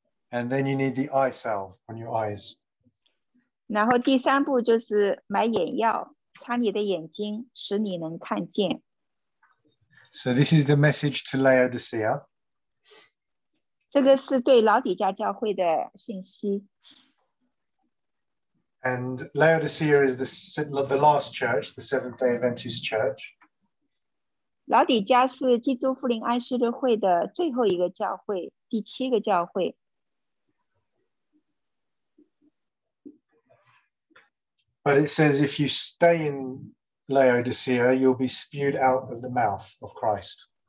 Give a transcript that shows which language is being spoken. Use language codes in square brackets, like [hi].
[en] And then you need the eye salve on your eyes. [zh] 然后第三步就是买眼药,擦你的眼睛,使你能看见。 [en] So this is the message to Laodicea. [zh] 这个是对老底嘉教会的信息。 [en] And Laodicea is the last church, the Seventh-day Adventist church. [zh] 老底嘉是基督复临安息日会的最后一个教会,第七个教会。 [en] But it says if you stay in Laodicea, you'll be spewed out of the mouth of Christ.